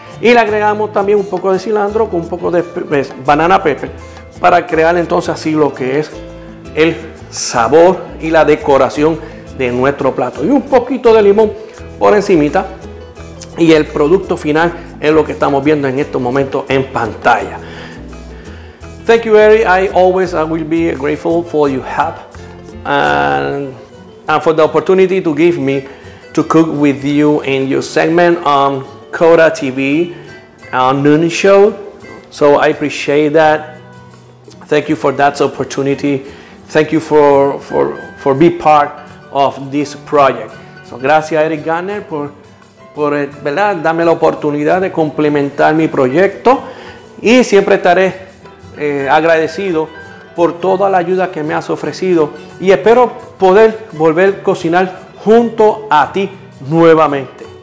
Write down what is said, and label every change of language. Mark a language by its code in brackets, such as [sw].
[es] Y le agregamos también un poco de cilantro con un poco de banana pepper para crear entonces así lo que es el sabor y la decoración de nuestro plato. Y un poquito de limón por encimita y el producto final es lo que estamos viendo en estos momentos en pantalla. [en] Thank you, Eric. I will be grateful for your help and for the opportunity to give me to cook with you in your segment on Cora TV, our noon show. So I appreciate that. Thank you for that opportunity. Thank you for being part of this project. [es] So gracias, Eric Garner, por verdad, darme la oportunidad de complementar mi proyecto. Y siempre estaré agradecido por toda la ayuda que me has ofrecido y espero poder volver a cocinar junto a ti nuevamente.